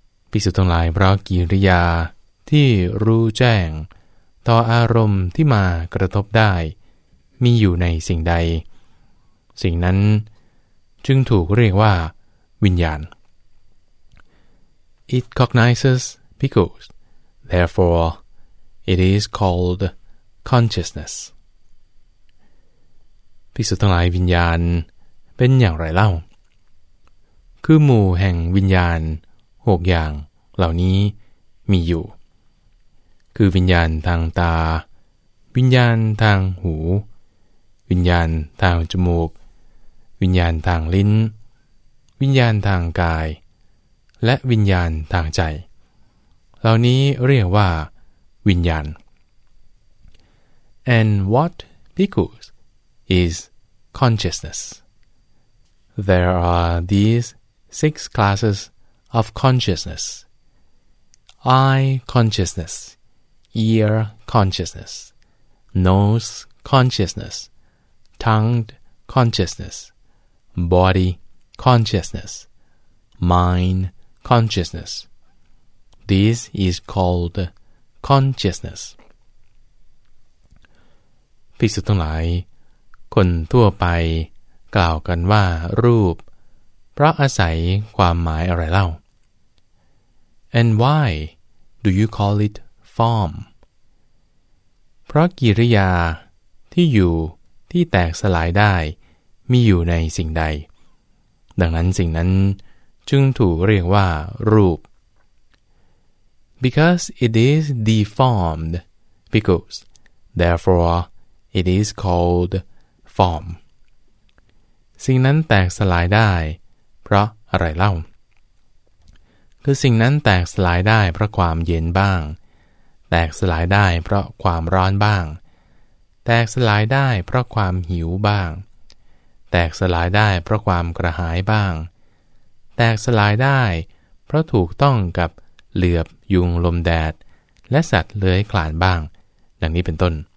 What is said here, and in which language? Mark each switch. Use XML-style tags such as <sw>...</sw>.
<th>ภิกษุทั้งหลายเพราะกิริยาที่รู้แจ้งต่ออารมณ์ที่มากระทบได้มีอยู่ในสิ่งใดสิ่งนั้นจึงถูกเรียกว่าวิญญาณ</th> <en>It cognizes bhikkhus. Therefore, it is called consciousness.</en> <th>ภิกษุทั้งหลายวิญญาณเป็นอย่างไรเล่าคือหมู่แห่งวิญญาณ6อย่างเหล่านี้มีอยู่คือวิญญาณทางตาวิญญาณทางหูวิญญาณทางจมูกวิญญาณทางลิ้นวิญญาณทางกายและวิญญาณทางใจเหล่านี้เรียกว่าวิญญาณ</th> <en>And what bhikkhusis consciousness. There are these 6 classes of consciousness. Eye consciousness, ear consciousness, nose consciousness, tongue consciousness, body consciousness, mind consciousness. This is called consciousness.</en> <th>ภิกษุทั้งหลายคนทั่วไปกล่าวกันว่ารูปเพราะอาศัยความหมายอะไรเล่า</th> <en>And why do you call it form?</en> <th>เพราะกิริยาที่อยู่ที่แตกสลายได้มีอยู่ในสิ่งใดดังนั้นสิ่งนั้นจึงถูกเรียกว่ารูป</th> <en>Because it is deformed, because therefore it is calledform</en> <th>สิ่งนั้นแตกสลายได้เพราะอะไรเล่าคือสิ่งนั้นแตกสลายได้เพราะความเย็นบ้างแตกสลายได้เพราะความร้อนบ้างแตกสลายได้เพราะความหิวบ้าง แตกสลายได้เพราะความกระหายบ้างแตกสลายได้เพราะถูกต้องกับเหลือบยุงลมแดดและสัตว์เลื้อยคลานบ้างดังนี้เป็นต้น</th>